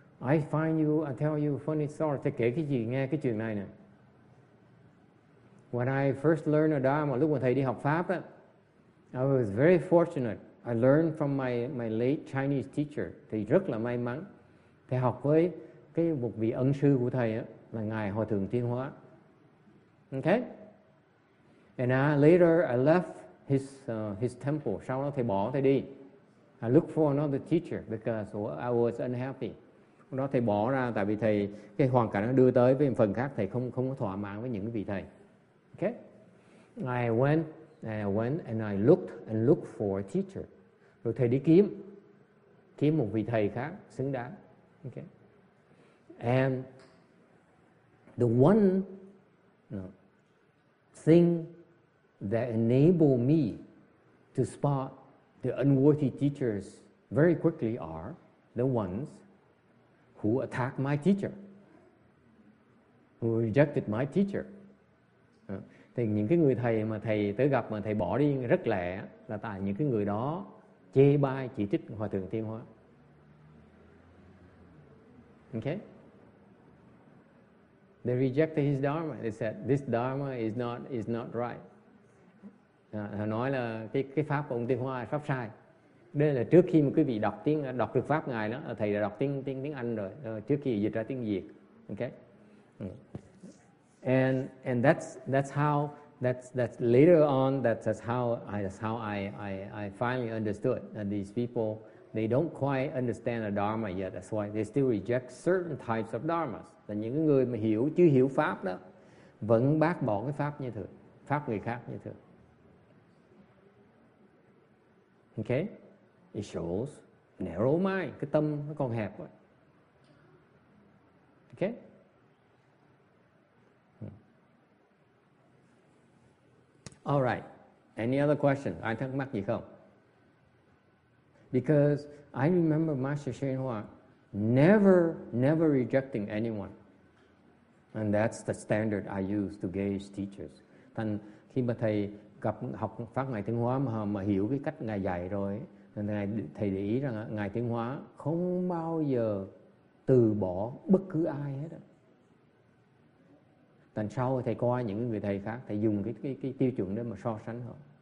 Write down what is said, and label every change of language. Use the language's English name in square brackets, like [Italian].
[English] I find you, I tell you a funny story. [Vietnamese] Thầy kể cái gì nghe cái chuyện này nè. [English] When I first learned a Dharma, [Vietnamese] lúc mà thầy đi học Pháp á, [English] I was very fortunate. I learned from my late Chinese teacher. [Vietnamese] Thầy rất là may mắn. Thầy học với cái một vị ân sư của thầy á, là Ngài Hòa Thượng Thiên Hóa. [English] Okay? And later I left his temple. [Vietnamese] Sau đó thầy bỏ thầy đi. [English] I looked for another teacher because I was unhappy. [Vietnamese] Đó thầy bỏ ra tại vì thầy cái hoàn cảnh nó đưa tới với phần khác thầy không có thỏa mãn với những vị thầy. [English] Okay? I went and I looked for a teacher. [Vietnamese] Rồi thầy đi kiếm một vị thầy khác xứng đáng. [English] Okay? And the one thing that enabled me to spot the unworthy teachers very quickly are the ones who attacked my teacher, who rejected my teacher. [Vietnamese] Thì những cái người thầy mà thầy tới gặp mà thầy bỏ đi rất lẹ là tại những cái người đó chê bai, chỉ trích Hòa Thượng Thiên Hóa. [English] Okay? They rejected his Dharma. They said, this Dharma is not right. [Vietnamese] Họ nói là cái pháp của ông Thiên Hóa là pháp sai. Đây là trước khi mà quý vị đọc được pháp ngài đó, thầy đã đọc tiếng Anh rồi, trước khi dịch ra tiếng Việt. [English] Okay? And that's how I finally understood that these people, they don't quite understand the Dharma yet. That's why they still reject certain types of Dharmas. [Vietnamese] Là những người mà chưa hiểu pháp đó vẫn bác bỏ cái pháp như thường, pháp người khác như thường. [English] Okay? It shows narrow mind. [Vietnamese] Cái tâm nó còn hẹp quá. [English] Okay? All right. Any other question? [Vietnamese] Ai thắc mắc gì không? [English] Because I remember Master Shen Hua never rejecting anyone. And that's the standard I use to gauge teachers. [Vietnamese] Thành khi mà thầy gặp học pháp Ngài Thiên Hóa mà hiểu cái cách Ngài dạy rồi, thầy để ý rằng Ngài Thiên Hóa không bao giờ từ bỏ bất cứ ai hết. Tần sau thầy coi những người thầy khác, thầy dùng cái tiêu chuẩn để mà so sánh họ.